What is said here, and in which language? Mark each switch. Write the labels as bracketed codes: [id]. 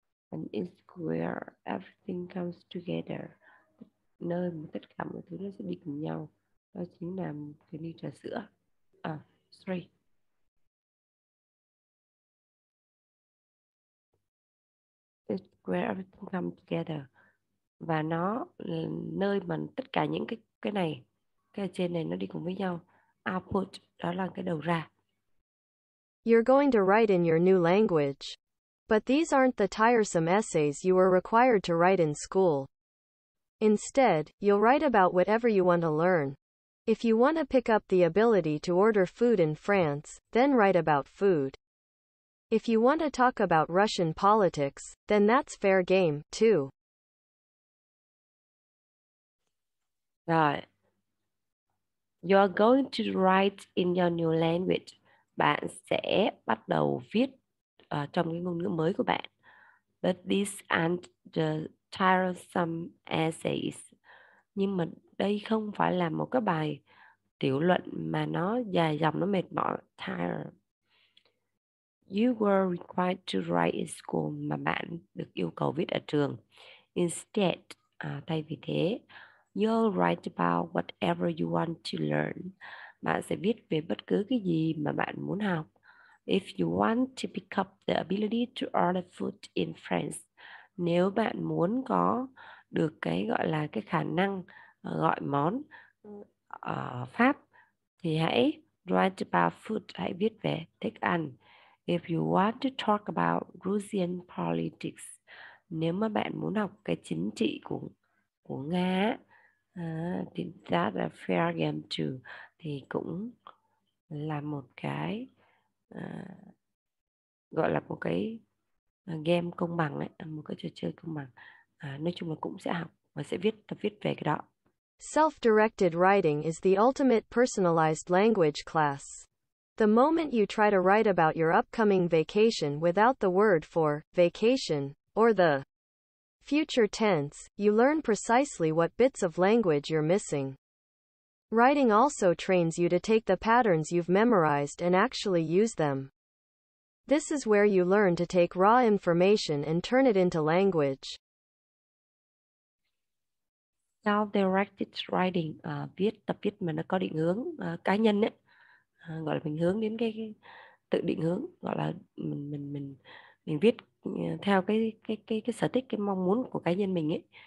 [en] And it's where everything comes together, [vi] nơi mà tất cả mọi thứ nó sẽ đi cùng nhau, đó chính là cái ly trà sữa. À, sorry. [en] It's where everything comes together. [vi] Và nó là nơi mà tất cả những cái này, cái trên này nó đi cùng với nhau. Output, đó là cái đầu ra. [en] You're going to write in your new language. But these aren't the tiresome essays you were required to write in school. Instead, you'll write about whatever you want to learn. If you want to pick up the ability to order food in France, then write about food. If you want to talk about Russian politics, then that's fair game, too. [vi] Rồi. [en] You are going to write in your new language. [vi] Bạn sẽ bắt đầu viết trong cái ngôn ngữ mới của bạn. [en] But these aren't the tiresome essays. [vi] Nhưng mà đây không phải là một cái bài tiểu luận mà nó dài dòng, nó mệt mỏi. Tire. [en] You were required to write in school, [vi] mà bạn được yêu cầu viết ở trường. [en] Instead, [vi] thay vì thế, [en] you'll write about whatever you want to learn. [vi] Bạn sẽ viết về bất cứ cái gì mà bạn muốn học. [en] If you want to pick up the ability to order food in France, [vi] nếu bạn muốn có được cái gọi là cái khả năng gọi món ở Pháp, thì hãy [en] write about food, [vi] hãy viết về thức ăn. [en] If you want to talk about Russian politics, [vi] nếu mà bạn muốn học cái chính trị của Nga, thì [en] that a fair game too, [vi] thì cũng là một cái gọi là một cái game công bằng ấy, một cái trò chơi công bằng. Nói chung là cũng sẽ học và sẽ viết, tập viết về cái đó. [en] Self-directed writing is the ultimate personalized language class. The moment you try to write about your upcoming vacation without the word for vacation or the future tense, you learn precisely what bits of language you're missing. Writing also trains you to take the patterns you've memorized and actually use them. This is where you learn to take raw information and turn it into language. Self-directed writing, [vi] viết tập viết mà nó có định hướng cá nhân ấy. Gọi là mình hướng đến cái tự định hướng, gọi là mình viết theo cái sở thích, cái mong muốn của cá nhân mình ấy.